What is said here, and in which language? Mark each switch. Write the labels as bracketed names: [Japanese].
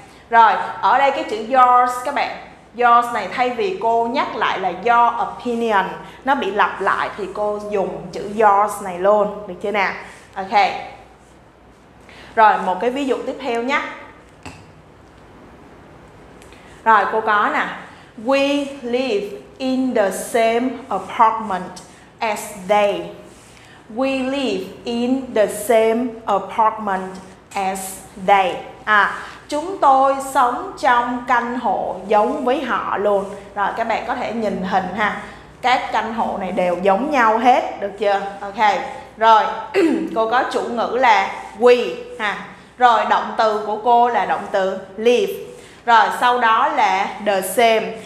[Vietnamese] Rồi, ở đây cái chữ yours các bạn. Yours này thay vì cô nhắc lại là your opinion, nó bị lặp lại thì cô dùng chữ yours này luôn, được chưa nào? Ok. Rồi, một cái ví dụ tiếp theo nhé. Rồi, cô có nè. [English] We live in the same apartment as they. We live in the same apartment as they. [Vietnamese] À, chúng tôi sống trong căn hộ giống với họ luôn. Rồi, các bạn có thể nhìn hình ha. Các căn hộ này đều giống nhau hết, được chưa? Ok. Rồi, cô có chủ ngữ là we ha. Rồi, động từ của cô là động từ live. Rồi, sau đó là the same.